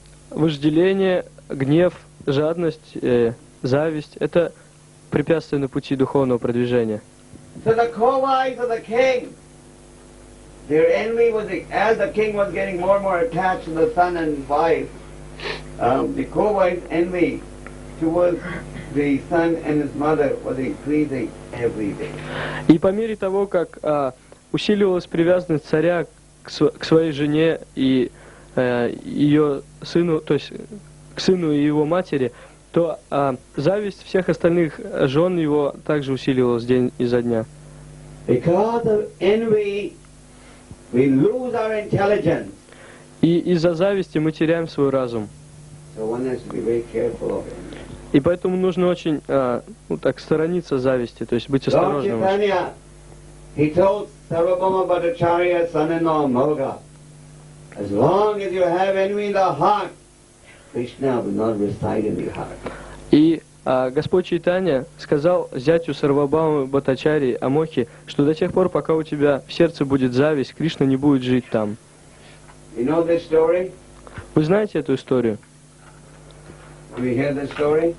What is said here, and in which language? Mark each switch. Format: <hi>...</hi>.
<ru>Вожделение, гнев, жадность, зависть — это препятствия на пути духовного продвижения.</ru> <en>So the co-wives of the king, their envy was as the king was getting more and more attached to the son and wife. The co-wives' envy towards the son and his mother was increasing every day.</en> <ru>И по мере того, как усиливалась привязанность царя к своей жене и ее сыну, то есть к сыну и его матери, то зависть всех остальных жен его также усиливалась день изо дня.</ru> <en>Because of envy, we lose our intelligence.</en> <ru>И из-за зависти мы теряем свой разум.</ru> <en>So one has to be very careful of it.</en> <ru>И поэтому нужно очень, ну так, сторониться зависти, то есть быть осторожным.</ru> <en>He told Sarvabhauma Bhattacharya, son-in-law Moga, as long as you have envy in the heart, Krishna will not reside in your heart.</en> <ru>И Господь Чайтанья сказал зятю Сарвабхаумы Бхаттачарьи Амохи, что до тех пор, пока у тебя в сердце будет зависть, Кришна не будет жить там.</ru> <en>You know this story?</en> <ru>Вы знаете эту историю?</ru> <en>Do you hear the story?</en>